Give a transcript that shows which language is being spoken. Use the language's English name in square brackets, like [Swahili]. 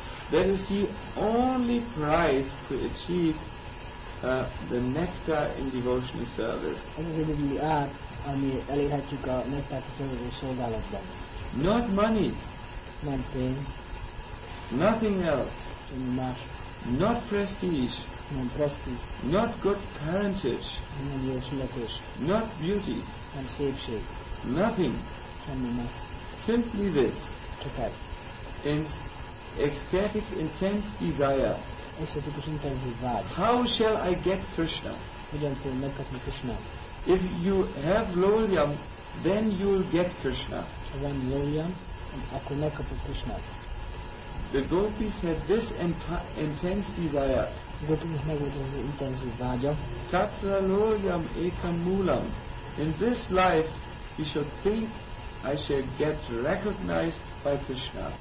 [English] That is the only price to achieve the nectar in devotional service. [Hungarian] Ami elérhetjük a nektárt a szolgáló szolgálatban. [English] Not money. [Hungarian] Nem pénz. [English] Nothing else. [Hungarian] Más. [English] Not prestige. [Hungarian] Nem prestige. [English] Not good parentage. [Hungarian] Nem jó születés. [English] Not beauty. [Hungarian] Nem szépség. [English] Nothing. [Hungarian] Semmi más. [English] Simply this. [Hungarian] Csak [English] ez. Ecstatic intense desire. [Hungarian] Ecstatikus intenzív vágy. [English] How shall I get Krishna? [Hungarian] Hogyan fogom megkapni Krishna? [English] If you have lolyam, then you will get Krishna. [Hungarian] When lolyam, akkor megkapod Krishna. [English] The gopis had this intense desire. [Hungarian] Gopis megvolt az intenzív vágya. [Sanskrit] Tatra lolyam ekam mulam. [English] In this life, you should think I shall get recognized by Krishna.